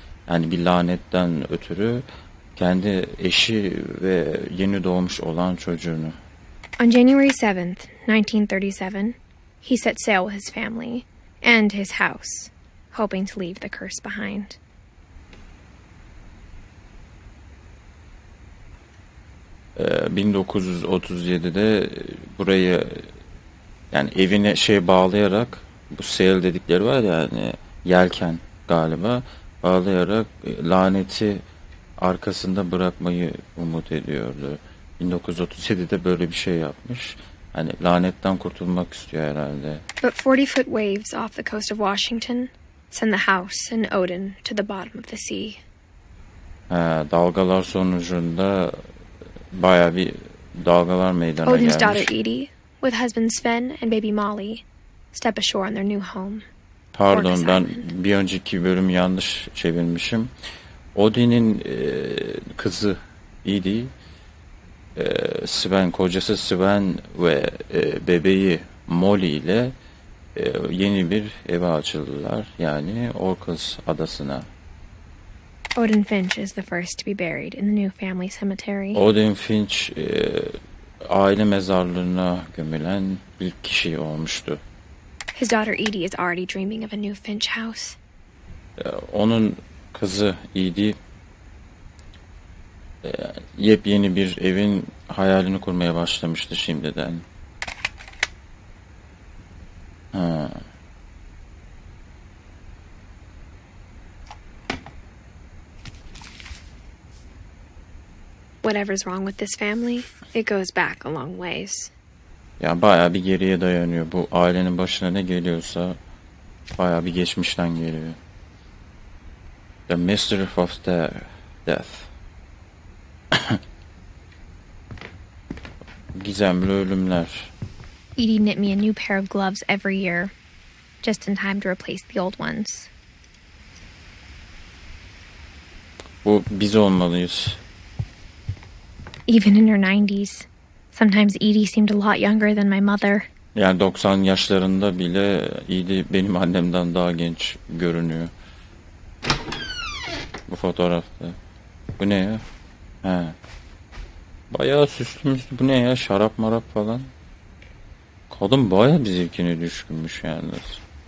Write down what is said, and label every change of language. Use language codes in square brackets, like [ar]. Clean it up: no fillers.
[tr] Yani bir lanetten ötürü kendi eşi ve yeni doğmuş olan çocuğunu. [en] On January 7th, 1937, he set sail with his family and his house, hoping to leave the curse behind. [tr] ...1937'de burayı, yani evine şey bağlayarak, bu sail dedikleri var ya, yani yelken galiba, bağlayarak laneti arkasında bırakmayı umut ediyordu. 1937'de böyle bir şey yapmış. Hani lanetten kurtulmak istiyor herhalde. [en] But 40 foot waves off the coast of Washington send the house and Odin to the bottom of the sea. [tr] Dalgalar sonucunda bayağı bir dalgalar meydana [en] Odin's [tr] gelmiş. [en] Odin's daughter Edie, with husband Sven and baby Molly, step ashore on their new home. [tr] Pardon, Orcas ben Island. Bir önceki bölümü yanlış çevirmişim. Odin'in kızı Edie, Sven, kocası Sven ve bebeği Molly ile yeni bir eve açıldılar. Yani Orcas Adası'na. [en] Odin Finch is the first to be buried in the new family cemetery. [tr] Odin Finch aile mezarlığına gömülen ilk kişi olmuştu. [en] His daughter Edie is already dreaming of a new Finch house. [tr] Onun kızı Edie yepyeni bir evin hayalini kurmaya başlamıştı şimdiden. Ha. [en] Whatever's wrong with this family, it goes back a long ways. [tr] Ya bayağı bir geriye dayanıyor. Bu ailenin başına ne geliyorsa bayağı bir geçmişten geliyor. [en] The mystery of the death. [tr] Gizemli ölümler. [en] Edie knit me a new pair of gloves every year, just in time to replace the old ones. [tr] Bu biz olmalıyız. [en] Even in her 90s, sometimes Edie seemed a lot younger than my mother. [tr] Yani 90 yaşlarında bile Edie benim annemden daha genç görünüyor. Bu fotoğrafta. Bu ne ya? He. Bayağı süslümüş. Bu ne ya? Şarap marap falan. Kadın bayağı bir zevkine düşkünmüş yalnız.